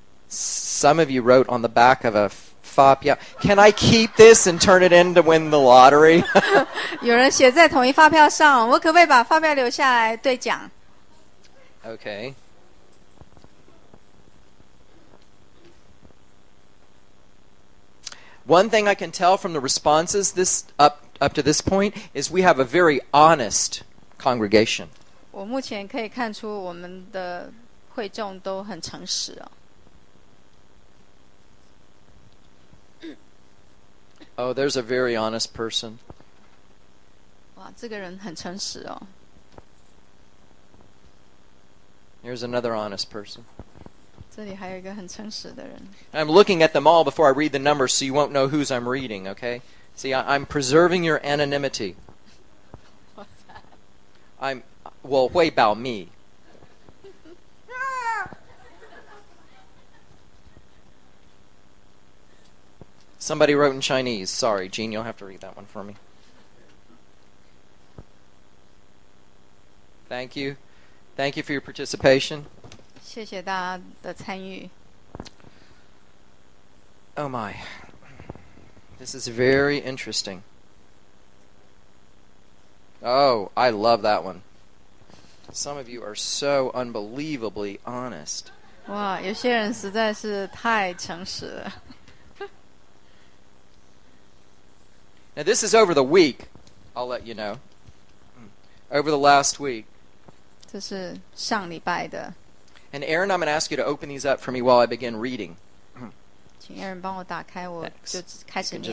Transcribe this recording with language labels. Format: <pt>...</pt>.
<en>Some of you wrote on the back of a发票。 Can I keep this and turn it in to win the lottery?</en> <zh>有人写在同一发票上，我可不可以把发票留下来兑奖？</zh> <en>Okay. One thing I can tell from the responses this up to this point is we have a very honest congregation.</en> <zh>我目前可以看出我们的会众都很诚实哦。</zh> <en>Oh, there's a very honest person.</en> <zh>哇，这个人很诚实哦。</zh> <en>Here's another honest person.</en> <zh>这里还有一个很诚实的人。</zh> <en>I'm looking at them all before I read the numbers so you won't know whose I'm reading, okay? See, I'm preserving your anonymity. What's that? Well, what about me? Somebody wrote in Chinese. Sorry, Gene, you'll have to read that one for me. Thank you. Thank you for your participation.</en> <zh>谢谢大家的参与。</zh> <en>Oh my. This is very interesting. Oh, I love that one. Some of you are so unbelievably honest.</en> <zh>哇，有些人实在是太诚实了。</zh> <en>Now this is over the week, I'll let you know. Over the last week.</en> <zh>这是上礼拜的。</zh> <en>And Aaron, I'm going to ask you to open these up for me while I begin reading.</en> <zh>请 Aaron 帮我打开，我就开始念。</zh>